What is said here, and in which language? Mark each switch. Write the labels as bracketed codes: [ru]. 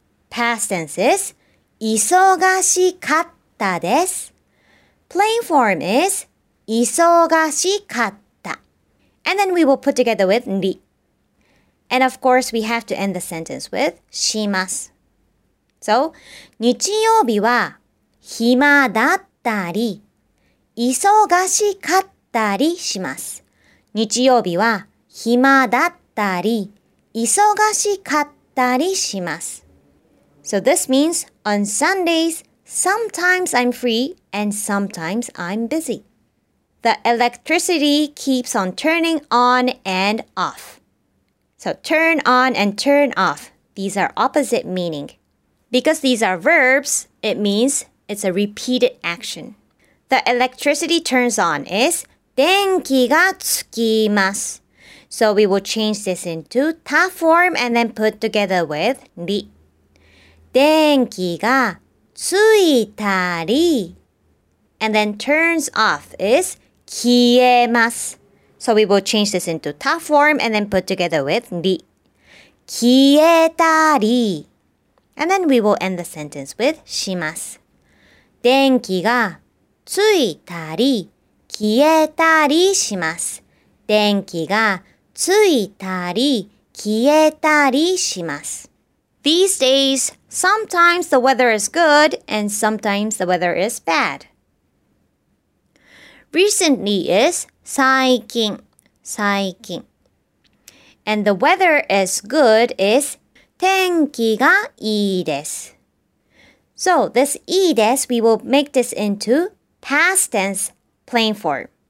[en] Past tense is [ja] 忙しかったです. [en] Plain form is [ja] 忙しかった. [en] And then we will put together with に. And of course, we have to end the sentence with します. [ja] So, 日曜日は暇だったり、忙しかったりします。日曜日は暇だったり、忙しかったりします。 [en] So this means, on Sundays, sometimes I'm free and sometimes I'm busy. The electricity keeps on turning on and off. So turn on and turn off. These are opposite meaning. Because these are verbs, it means it's a repeated action. The electricity turns on is [ja] 電気がつきます. [en] So we will change this into た form and then put together with り. [ja] 電気がついたり. [en] And then turns off is [ja] 消えます. [en] So we will change this into た form and then put together with り. [ja] 消えたり. [en] And then we will end the sentence with します. [ja] 電気がついたり消えたりします。電気がついたり消えたりします。 [en] These days, sometimes the weather is good and sometimes the weather is bad. Recently is [ja] 最近最近 [en] And the weather is good is [ja] 天気がいいです [en] So this [ja] いいです [en] we will make this into past tense plain form